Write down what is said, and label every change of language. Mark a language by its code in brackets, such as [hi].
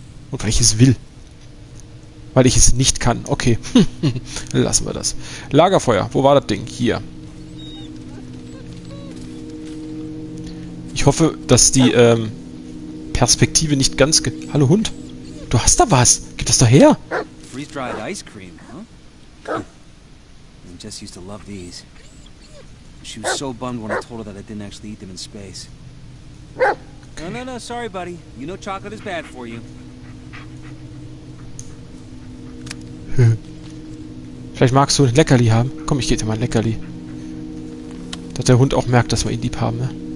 [de] Und weil ich es will. Weil ich es nicht kann. Okay, lassen wir das. Lagerfeuer, wo war das Ding? Hier. Ich hoffe, dass die Perspektive nicht ganz... Hallo Hund, du hast da was. Gib das doch her. [en] Freeze-dried ice cream, huh? Jess used to love these. She was so bummed when I told her that I didn't actually eat them in space. No, no, no, sorry, buddy. You know chocolate is bad for you. [de] Vielleicht magst du ein Leckerli haben. Komm, ich gebe dir mal ein Leckerli. Dass der Hund auch merkt, dass wir ihn lieb haben, ne?